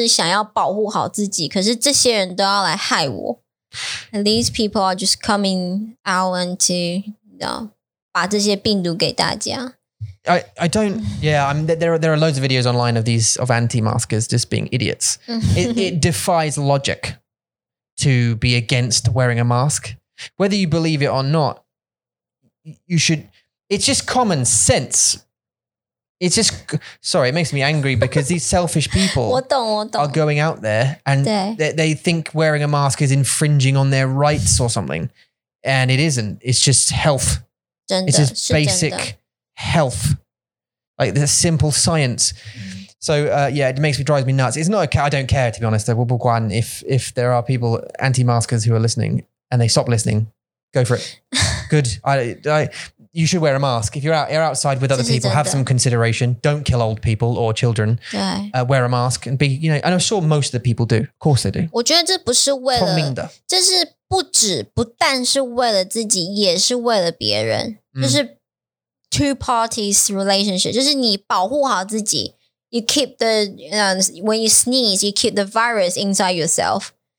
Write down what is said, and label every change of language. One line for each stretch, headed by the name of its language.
Chinese: 会让人家有点生气，会觉得，因为我会觉得他会让人家觉得我明明就是想要保护好自己，可是这些人都要来害我。
English: And these people are just coming out and to, you know,
Chinese: 把这些病毒给大家。
English: I don't, yeah, I mean, there are loads of videos online of these, of anti-maskers just being idiots. It defies logic to be against wearing a mask. Whether you believe it or not, you should, it's just common sense. It's just, sorry, it makes me angry because these selfish people
Chinese: 我懂。
English: are going out there and they think wearing a mask is infringing on their rights or something. And it isn't. It's just health.
Chinese: 真的,
English: it's just basic. Health, like the simple science. So yeah, drives me nuts. It's not okay. I don't care, to be honest. If there are people anti-maskers who are listening and they stop listening, go for it. Good. You should wear a mask. If you're outside with other people, have some consideration. Don't kill old people or children. Wear a mask and be, you know, and I'm sure most of the people do. Of course they do.
Chinese: 我觉得这不是为了，这是不止不但是为了自己，也是为了别人。
English: Two parties relationship.
Chinese: 就是你保护好自己,
English: you keep the, you know, when you sneeze, you keep the virus inside yourself.